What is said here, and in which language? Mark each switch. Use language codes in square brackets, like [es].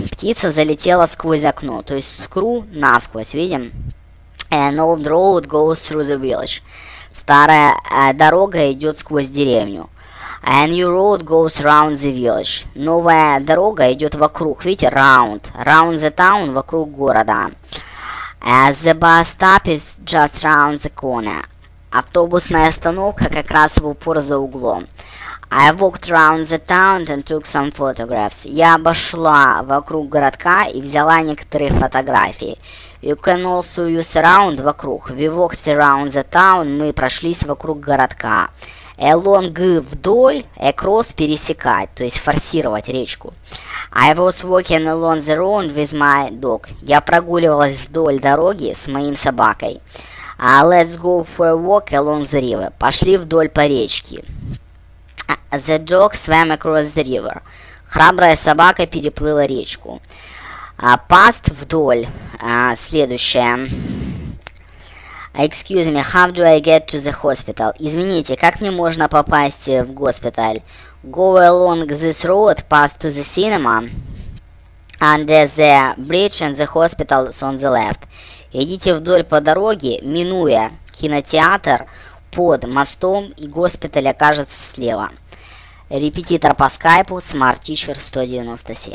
[ru] Птица залетела сквозь окно. То есть screw насквозь, видим? [en] An old road goes through the village. [ru] Старая дорога идет сквозь деревню. [en] A new road goes round the village. [ru] Новая дорога идет вокруг, видите, round. [en] Round the town, [ru] вокруг города. [en] The bus stop is just round the corner. [ru] Автобусная остановка как раз в упор за углом. [en] I walked round the town and took some photographs. [ru] Я обошла вокруг городка и взяла некоторые фотографии. [en] You can also use around вокруг. We walked around the town. [ru] Мы прошлись вокруг городка. Along вдоль, across пересекать, то есть форсировать речку. [en] I was walking along the road with my dog. [ru] Я прогуливалась вдоль дороги с моим собакой. [en] Let's go for a walk along the river. [ru] Пошли вдоль по речке. [en] The dog swam across the river. [ru] Храбрая собака переплыла речку. Past вдоль. Следующее. [en] Excuse me, how do I get to the hospital? [ru] Извините, как мне можно попасть в госпиталь? [en] Go along this road, past to the cinema. Under the bridge and the hospital is on the left. [ru] Идите вдоль по дороге, минуя кинотеатр под мостом, и госпиталь окажется слева. Репетитор по скайпу, Smart Teacher 197.